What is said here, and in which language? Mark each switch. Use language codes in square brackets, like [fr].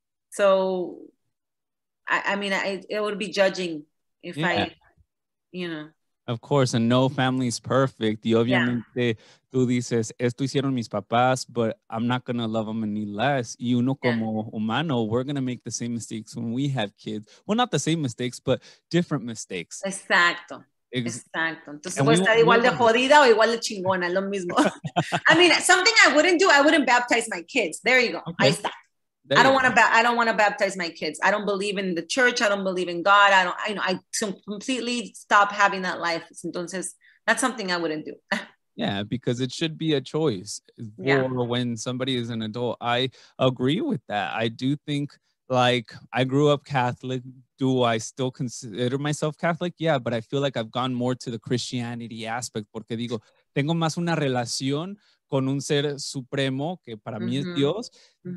[en] So, it would be judging if yeah. I, you know. Of course, and no family is perfect. [es] Y obviamente, [en] yeah. [es] tú dices, esto hicieron mis papás, [en] but I'm not going to love them any less. [es] Y uno como [en] yeah. humano, we're going to make the same mistakes when we have kids. Well, not the same mistakes, but different mistakes. [es] Exacto. Exacto. Entonces, puede estar igual de jodida o igual de chingona, lo mismo. [en] I mean, something I wouldn't do, I wouldn't baptize my kids. There you go. Okay. [es] Ahí está. [en] I don't want to baptize my kids. I don't believe in the church. I don't believe in God. I don't, you know, I completely stop having that life. Entonces, that's something I wouldn't do. Yeah, because it should be a choice. Yeah. Or when somebody is an adult, I agree with that. I do think, like, I grew up Catholic. Do I still consider myself Catholic? Yeah, but I feel like I've gone more to the Christianity aspect. [es] Porque digo, tengo más una relación con un ser supremo, que para mm-hmm. mí es Dios, mm-hmm.